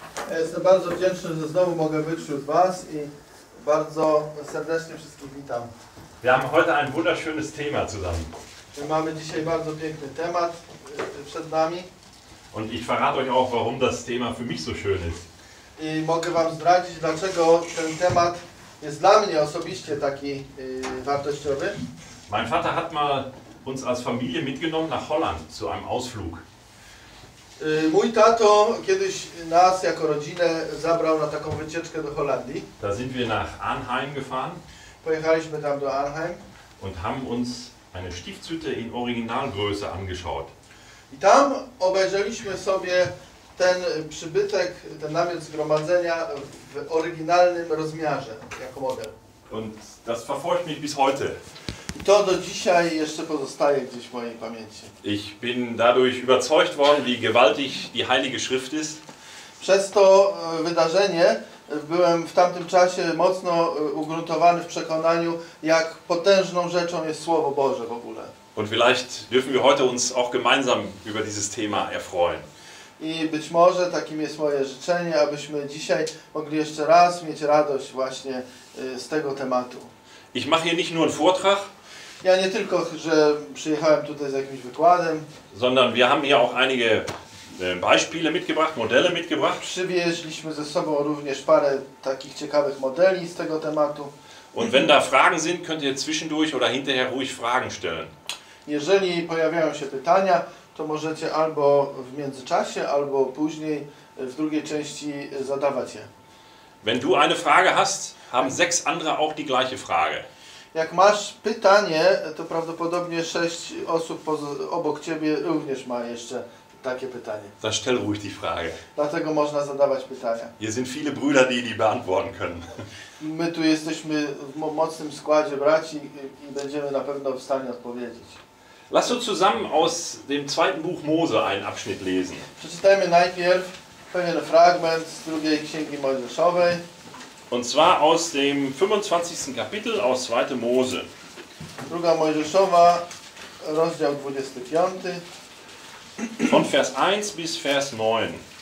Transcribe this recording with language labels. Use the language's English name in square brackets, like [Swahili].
[Polish] Ja jestem bardzo wdzięczny, że znowu mogę być wśród Was i bardzo serdecznie wszystkich witam. [German] Wir haben heute ein wunderschönes Thema zusammen. [Polish] My mamy dzisiaj bardzo piękny temat przed nami. [German] Und ich verrate euch auch, warum das Thema für mich so schön ist. [Polish] I mogę Wam zdradzić, dlaczego ten temat jest dla mnie osobiście taki wartościowy. [German] Mein Vater hat mal uns als Familie mitgenommen nach Holland zu einem Ausflug. [Polish] Mój tato kiedyś nas jako rodzinę zabrał na taką wycieczkę do Holandii. [German] Da sind wir nach Arnheim gefahren. [Polish] Pojechaliśmy tam do Arnheim. [German] Und haben uns eine Stiftshütte in Originalgröße angeschaut. [Polish] I tam obejrzeliśmy sobie ten przybytek, ten namiot zgromadzenia w oryginalnym rozmiarze, jako model. [German] Und das verfolgt mich bis heute. [Polish] To do dzisiaj jeszcze pozostaje gdzieś w mojej pamięci. [German] Ich bin dadurch überzeugt worden, wie gewaltig die Heilige Schrift ist. [Polish] Przez to wydarzenie byłem w tamtym czasie mocno ugruntowany w przekonaniu, jak potężną rzeczą jest Słowo Boże w ogóle. [German] Und vielleicht dürfen wir heute uns auch gemeinsam über dieses Thema erfreuen. [Polish] I być może takim jest moje życzenie, abyśmy dzisiaj mogli jeszcze raz mieć radość właśnie z tego tematu. [German] Ich mache hier nicht nur einen Vortrag. [Polish] Ja nie tylko, że przyjechałem tutaj z jakimś wykładem, [German] sondern wir haben hier auch einige Beispiele mitgebracht, Modelle mitgebracht. [Polish] Przywieźliśmy ze sobą również parę takich ciekawych modeli z tego tematu. [German] Und wenn da Fragen sind, könnt ihr zwischendurch oder hinterher ruhig Fragen stellen. [Polish] Jeżeli pojawiają się pytania, to możecie albo w międzyczasie, albo później w drugiej części zadawać je. [German] Wenn du eine Frage hast, haben sechs andere auch die gleiche Frage. [Polish] Jak masz pytanie, to prawdopodobnie sześć osób obok ciebie również ma jeszcze takie pytanie. [German] Dann stell ruhig die Frage. [Polish] Dlatego można zadawać pytania. [German] Hier sind viele Brüder, die die beantworten können. [Polish] My tu jesteśmy w mocnym składzie braci i będziemy na pewno w stanie odpowiedzieć. [German] Lass uns zusammen aus dem zweiten Buch Mose einen Abschnitt lesen. [Polish] Przeczytajmy najpierw pewien fragment z drugiej Księgi Mojżeszowej. [German] Und zwar aus dem 25. Kapitel aus 2. Mose. [Polish] Druga Mojżeszowa, rozdział 25. [German] Von Vers 1 bis Vers 9.